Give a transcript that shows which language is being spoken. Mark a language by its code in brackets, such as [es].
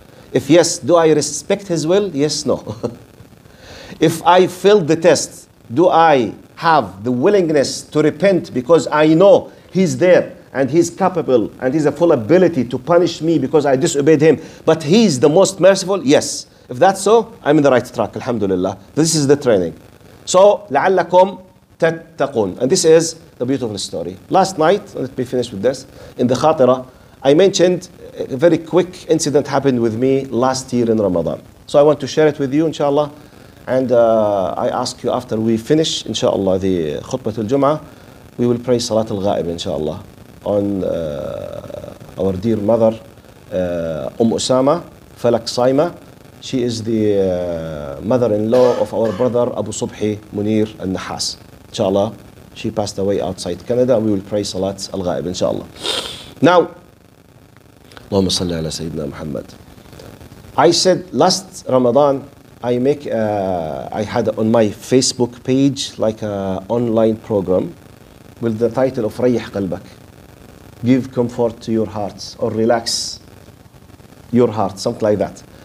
[en] If yes, do I respect his will? Yes, no. If I failed the test, do I have the willingness to repent because I know he's there and he's capable and he's a full ability to punish me because I disobeyed him, but he's the most merciful? Yes. If that's so, I'm in the right track, alhamdulillah. This is the training. [ar] So, لَعَلَّكُمْ تَتَّقُونَ. [en] And this is the beautiful story. Last night, let me finish with this, in the khatira, I mentioned a very quick incident happened with me last year in Ramadan. So I want to share it with you, inshallah. And I ask you after we finish, inshallah, the khutbah al-jum'ah, we will pray salat al-ghaib, inshallah, on our dear mother, Usama, Falak Saima. She is the mother-in-law of our brother, Abu Subhi Munir al-Nahas. Inshallah, she passed away outside Canada. We will pray salat al-ghaib, inshallah. [ar] Now, اللهم صل على سيدنا محمد. [en] I said last Ramadan, I had on my Facebook page like an online program with the title of [ar] ريح قلبك, [en] give comfort to your hearts or relax your heart, something like that.